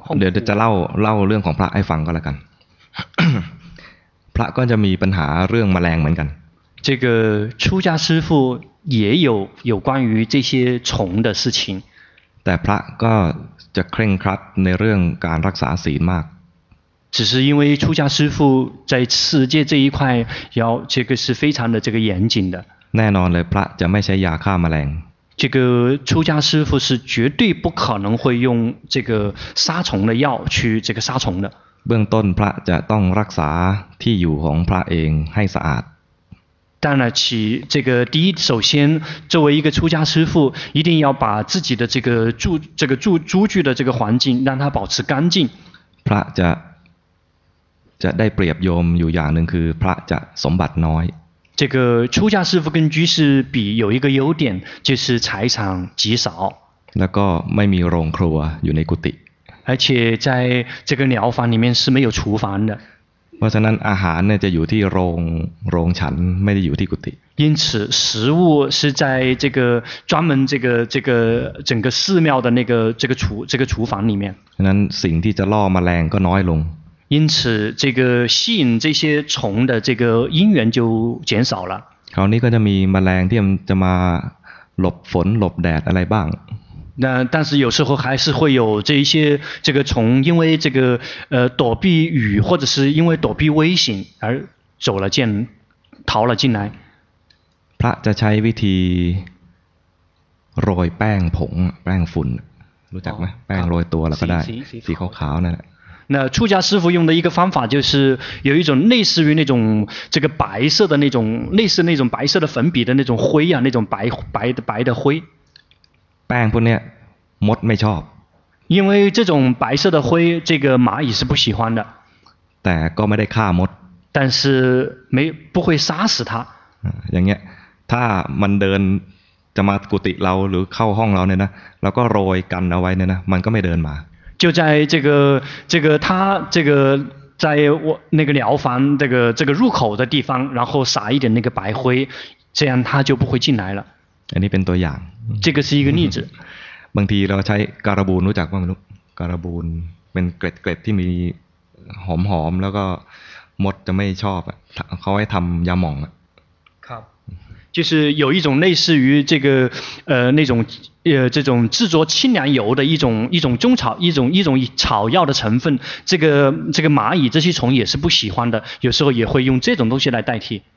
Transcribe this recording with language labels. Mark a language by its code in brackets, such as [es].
[th] เดี๋ยวจะเล่าเรื่องของพระให้ฟังก็แล้วกัน พระก็จะมีปัญหาเรื่องแมลงเหมือนกัน [zh] 这个出家师父也有关于这些虫的事情 [th] แต่พระก็จะเคร่งครัดในเรื่องการรักษาศีลมาก [zh] 只是因为出家师父在持戒这一块要这个是非常的这个严谨的 [th] แน่นอนเลยพระจะไม่ใช้ยาฆ่าแมลง [zh] 这个出家师父是绝对不可能会用这个杀虫的药去这个杀虫的。 [th] เบื้องต้นพระจะต้องรักษาที่อยู่ของพระเองให้สะอาด。 [zh] 当然起这个第一首先作为一个出家师父一定要把自己的这个住这个住居的这个环境让它保持干净。 [th] พระจะได้เปรียบโยมอยู่อย่างหนึ่งคือพระจะสมบัติน้อย [zh] 这个出家师父跟居士比有一个优点就是财产极少 [th] แล้วก็ไม่มีโรงครัวอยู่ในกุฏิ [zh] 而且在这个寮房里面是没有厨房的 [th] เพราะฉะนั้นอาหารเนี่ยจะอยู่ที่โรงฉันไม่ได้อยู่ที่กุฏิ [zh] 因此食物是在这个专门这个整个寺庙的那个这个厨房里面 [th] ฉะนั้นสิ่งที่จะล่อมาแรงก็น้อยลง [zh] 因此这个吸引这些虫的这个因缘就减少了 [th] คราวนี้ก็จะมีมแมลงที่มันจะมาหลบฝนหลบแดดอะไรบ้าง [zh] นะ但是有时候还是会有这一些这个虫因为这个躲避雨或者是因为躲避危险而走了进逃了进来 [th] พระจะใช้วิธีโรยแป้งผงแป้งฝุ่นรู้จักไหมแป้งโรยตัวแล้วก็ได้ สีขาวๆนั่นแหละ [zh] 那出家师父用的一个方法就是有一种类似于那种这个白色的那种类似那种白色的粉笔的那种灰啊那种白白的白的灰 [th] แป้งพวกนี้มดไม่ชอบ [zh] 因为这种白色的灰这个蚂蚁是不喜欢的 [th] แต่ก็ไม่ได้ฆ่ามด [zh] 但是没不会杀死它 [th] อย่างเงี้ยถ้ามันเดินจะมากุฏิเราหรือเข้าห้องเราเนี่ยนะเราก็โรยกันเอาไว้เนี่ยนะมันก็ไม่เดินมา [zh] 就在这个他这个在我那个寮房这个入口的地方然后撒一点那个白灰这样他就不会进来了 [th] อันนี้เป็นตัวอย่าง [zh] 这个是一个例子 [th] บางทีเราใช้การบูนรู้จักบ้างไหมลูกการบูนเป็นเกล็ดๆที่มีหอมๆแล้วก็มดจะไม่ชอบเขาให้ทำยาหม่อง ครับ [zh] 就是有一种类似于这个那种这种制作清凉油的一种中草一种草药的成分这个蚂蚁这些虫也是不喜欢的有时候也会用这种东西来代替